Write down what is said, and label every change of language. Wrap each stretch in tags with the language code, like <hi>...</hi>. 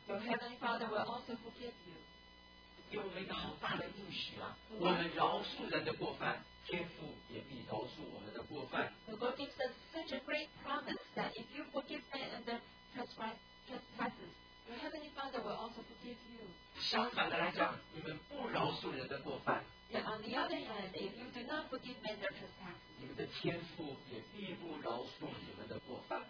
<en>Your heavenly father will also forgive you</en> <zh>给我们一个好大的应许啊我们饶恕人的过犯天父也必饶恕我们的过犯</zh> <en>The Lord gives us such a great promise that if you forgive men and their trespasses Your heavenly Father will also forgive you.</en> <zh>相反的来讲，你们不饶恕人的过犯。</zh> <en>Yet on the other hand, if you do not forgive men their trespasses,</en> <zh>你们的天父也必不饶恕你们的过犯。</zh>